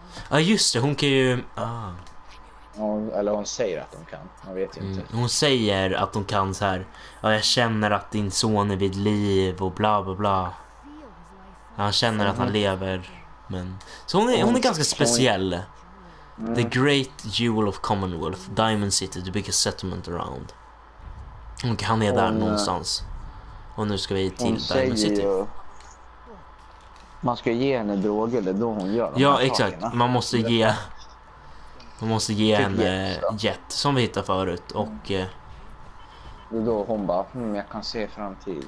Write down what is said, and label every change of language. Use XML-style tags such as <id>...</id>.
<sv>Ja, ah, just det, hon kan ju... Ah. Hon, eller hon säger att hon kan, man vet ju inte. Hon säger att hon kan så här. Ja, jag känner att din son är vid liv och bla bla bla. Han känner att han lever, men... Så hon är ganska speciell.</sv> <en>The great jewel of Commonwealth, Diamond City, the biggest settlement around.</en> <sv>Och han är där någonstans. Och nu ska vi till Diamond City. Man ska ge henne droger, det är då hon gör. Ja, exakt. Sakerna. Man måste ge typ en jet som vi hittade förut. Och det är då hon bara, jag kan se framtiden.</sv>